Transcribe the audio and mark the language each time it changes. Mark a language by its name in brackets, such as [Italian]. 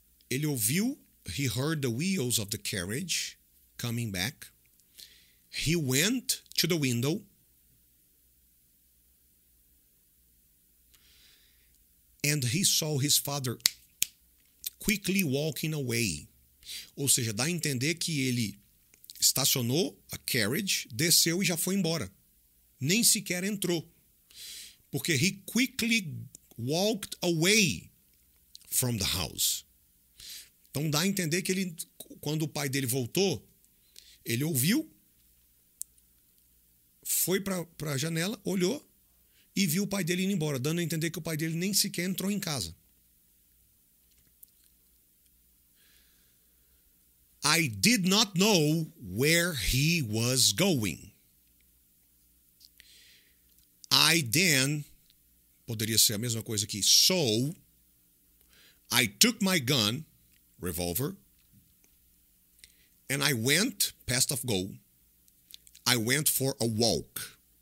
[Portuguese] Ele ouviu, [English] he heard the wheels of the carriage coming back. He went to the window. And he saw his father quickly walking away. [Portuguese] Ou seja, dá a entender que ele estacionou a carriage, desceu e já foi embora. Nem sequer entrou. Porque [English] he quickly walked away from the house. [Portuguese] Então dá a entender que ele, quando o pai dele voltou, ele ouviu, foi para a janela, olhou e viu o pai dele indo embora, dando a entender que o pai dele nem sequer entrou em casa. [English] I did not know where he was going. I then, [Portuguese] poderia ser a mesma coisa aqui, [English] so, I took my gun, revolver, and I went, past of go, I went for a walk.